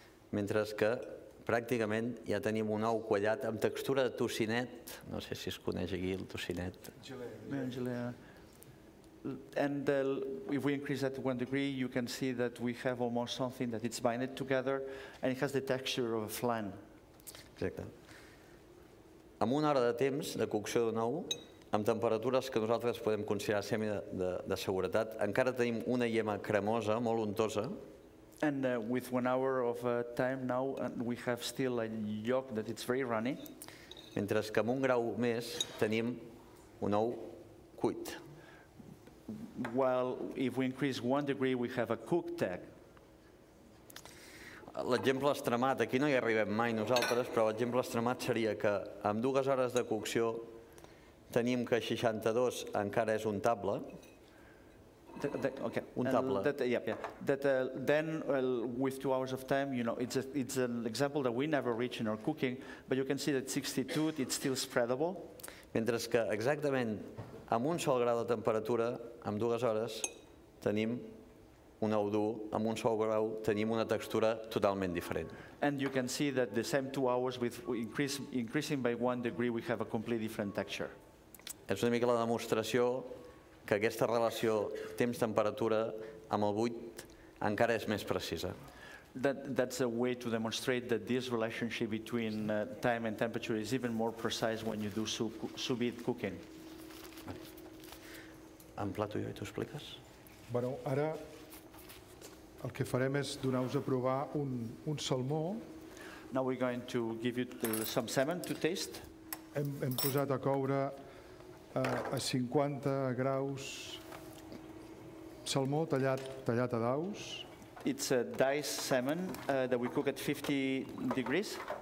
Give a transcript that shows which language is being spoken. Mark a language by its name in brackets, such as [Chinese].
[Catalan] Mentre que pràcticament ja tenim un ou quallat amb textura de tocinet. No sé si es coneix aquí el tocinet. Gelea. [English] And if we increase that 1 degree, you can see that we have almost something that it's binded together and it has the texture of a flan. [Catalan] Exacte. Amb una hora de temps de cocció d'un ou, amb temperatures que nosaltres podem considerar semi de seguretat, encara tenim una llema cremosa, molt untosa. [English] And with 1 hour of time now, and we have still a yolk that it's very runny. [Catalan] Mentre que amb un grau més tenim un ou cuit. [English] Well, if we increase 1 degree, we have a cooked egg. [Catalan] L'exemple extremat, aquí no hi arribem mai nosaltres, però l'exemple extremat seria que amb 2 hores de cocció tenim que 62 encara és untable. [English] With 2 hours of time, you know, it's an example that we never reach in our cooking, but you can see that 62, it's still spreadable. [Catalan] Mentre que exactament amb un sol grau de temperatura, amb 2 hores, tenim un ou dur, amb un sol grau tenim una textura totalment diferent. [English] And you can see that the same 2 hours, with increasing by 1 degree, we have a completely different texture. [Catalan] És una mica la demostració que aquesta relació temps-temperatura amb el buit encara és més precisa. [English] That's a way to demonstrate that this relationship between time and temperature is even more precise when you do sous-vide cooking. [Catalan] En plato jo i t'ho expliques? Bueno, ara el que farem és donar-vos a provar un salmó. [English] Now we're going to give you some salmon to taste. [Catalan] Hem posat a coure a 50 graus salmó tallat a daus. [English] It's a diced salmon that we cook at 50 degrees.